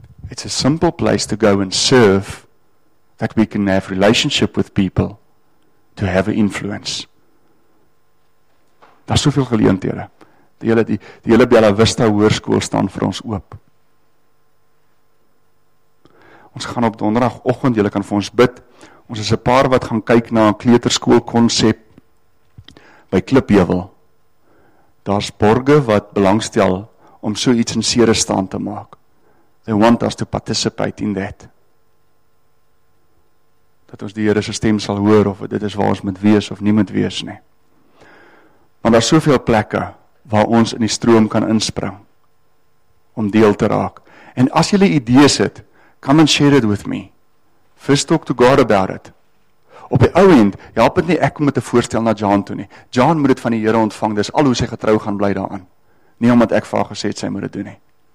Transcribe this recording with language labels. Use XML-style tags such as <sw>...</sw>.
<en>It's a simple place to go and serve that we can have relationship with people to have an influence.</en> <af>Daar is soveel geleenthede. Die hele Bella Vista Hoërskool staan vir ons oop. Ons gaan op donderdagoggend, julle kan vir ons bid. Ons is 'n paar wat gaan kyk na 'n kleuterskool konsep by Kliphewel. Daar's borgers wat belangstel om so iets in Ceres staan te maak.</af> <en>They want us to participate in that.</en> <af>Dat ons die Here se stem sal hoor of dit is waar ons moet wees of nie moet wees nie. Want daar's soveel plekke waar ons in die stroom kan inspring om deel te raak. En as jy 'n idee het,</af> <en>come and share it with me. First talk to God about it.</en> <af>Op die ou end, help het nie ek om met 'n voorstel na John toe nie. John moet dit van die Here ontvang, dis al hoe sy getrou gaan bly daaraan. Nie omdat ek vir haar gesê het, sy moet dit doen nie.</af>